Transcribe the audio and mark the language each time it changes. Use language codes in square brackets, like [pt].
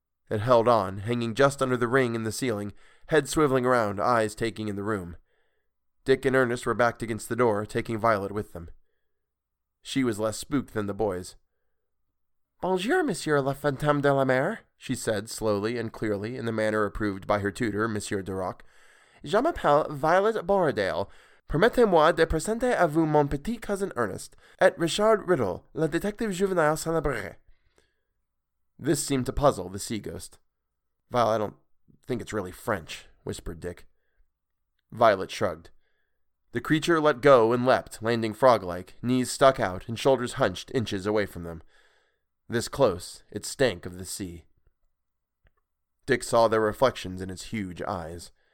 [en] It held on, hanging just under the ring in the ceiling, head swiveling around, eyes taking in the room. Dick and Ernest were backed against the door, taking Violet with them. She was less spooked than the boys. [fr] "Bonjour, Monsieur le Fantôme de la Mer," [en] she said slowly and clearly in the manner approved by her tutor, Monsieur Duroc. [fr] "Je m'appelle Violet Borodale. Permettez-moi de présenter à vous mon petit cousin Ernest, et Richard Riddle, le détective juvenile célèbre." [en] This seemed to puzzle the sea ghost. "Violet, I don't think it's really French," whispered Dick. Violet shrugged. The creature let go and leapt, landing frog-like, knees stuck out and shoulders hunched inches away from them. This close, it stank of the sea. Dick saw their reflections in its huge eyes.